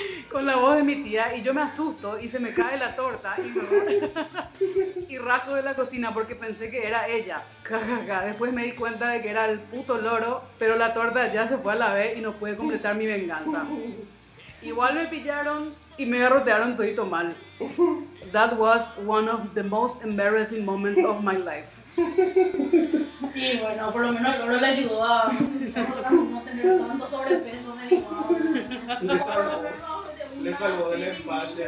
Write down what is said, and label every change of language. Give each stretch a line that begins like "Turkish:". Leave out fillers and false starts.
Spanish: Con la voz de mi tía y yo me asusto y se me cae la torta y, y rajo de la cocina porque pensé que era ella. Después me di cuenta de que era el puto loro, pero la torta ya se fue a la B y no pude completar mi venganza. Igual me pillaron y me garrotearon todito mal.
English: That was one of the most embarrassing moments of my life.
Spanish: Y bueno, por lo menos el loro le ayudó a no tener tanto sobrepeso, me dijo. Le salvó, por lo menos, le salvó del empache.